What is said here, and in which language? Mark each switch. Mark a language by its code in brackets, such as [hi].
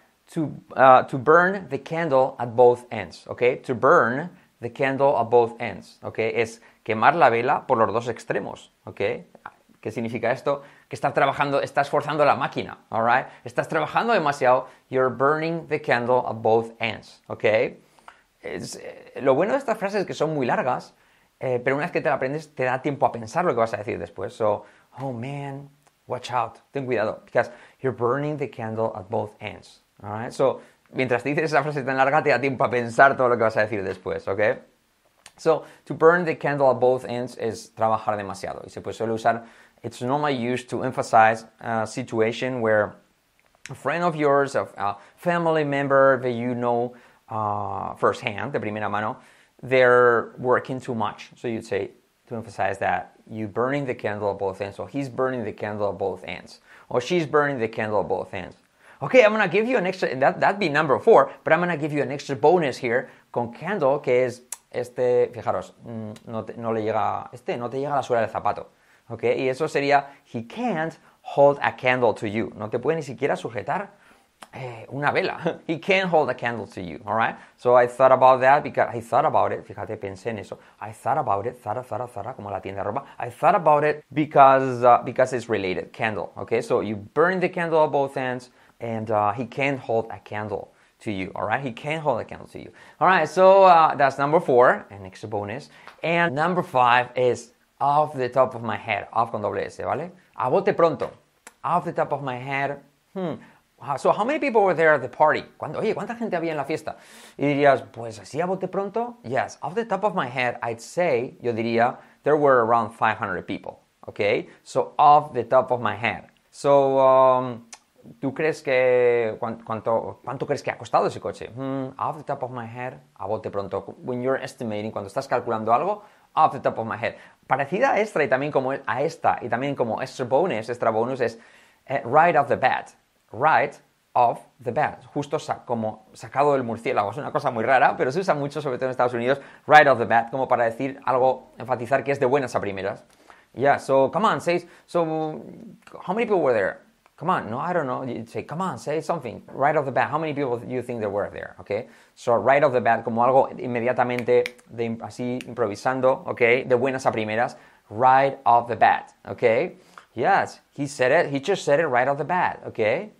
[en] to burn the candle at both ends, okay? To burn the candle at both ends, okay? [es] Es quemar la vela por los dos extremos, okay? ¿Qué significa esto? Que estás trabajando, estás forzando la máquina, [en] all right? [es] Estás trabajando demasiado, [en] you're burning the candle at both ends, [es] okay? Lo bueno de estas frases es que son muy largas, pero una vez que te la aprendes, te da tiempo a pensar lo que vas a decir después. [en] So, oh man, watch out, [es] ten cuidado, [en] because you're burning the candle at both ends, all right? [es] So, mientras te dices esa frase tan larga, te da tiempo a pensar todo lo que vas a decir después, okay? [en] So, to burn the candle at both ends [es] es trabajar demasiado. Y se puede solo usar, [en] it's normally used to emphasize a situation where a friend of yours, a family member that you know firsthand, [es] de primera mano, [en] they're working too much. So you'd say, to emphasize that, you're burning the candle at both ends. Or he's burning the candle at both ends. Or she's burning the candle at both ends. Okay, I'm going to give you an extra, that'd be number four, but I'm going to give you an extra bonus here [es] con candle, que es, este, fijaros, no te llega a la suela del zapato, [en] ¿ok? [es] Y eso sería, [en] he can't hold a candle to you. [es] No te puede ni siquiera sujetar una vela. [en] He can't hold a candle to you, all right? So I thought about that, because I thought about it, [es] fíjate, pensé en eso. [en] I thought about it, zara, [es] como la tienda de ropa. [en] I thought about it because it's related, candle, ¿ok? So you burn the candle at both ends, and he can't hold a candle to you, all right? He can't hold a candle to you. All right, so that's number four, an extra bonus. And number five is off the top of my head, off [es] con doble S, ¿vale? A bote pronto, [en] off the top of my head. So how many people were there at the party? [es] Oye, ¿cuánta gente había en la fiesta? Y dirías, pues así a bote pronto. [en] Yes, off the top of my head, I'd say, [es] yo diría, [en] there were around 500 people, okay? So off the top of my head. [es] So, ¿tú crees que, cuánto crees que ha costado ese coche? [en] Off the top of my head, [es] a bote pronto. [en] When you're estimating, [es] cuando estás calculando algo, [en] off the top of my head. [es] Parecida a esta y también como a esta, y también como extra bonus, es [en] right off the bat. Right off the bat. [es] Justo como sacado del murciélago. Es una cosa muy rara, pero se usa mucho, sobre todo en Estados Unidos, [en] right off the bat, [es] como para decir algo, enfatizar que es de buenas a primeras. [en] Yeah, so come on, say, so how many people were there? Come on, no, I don't know. You'd say, come on, say something. Right off the bat, how many people do you think there were there? Okay, so right off the bat, [es] como algo inmediatamente, de, así improvisando, okay, de buenas a primeras. [en] Right off the bat, okay? Yes, he said it. He just said it right off the bat, okay?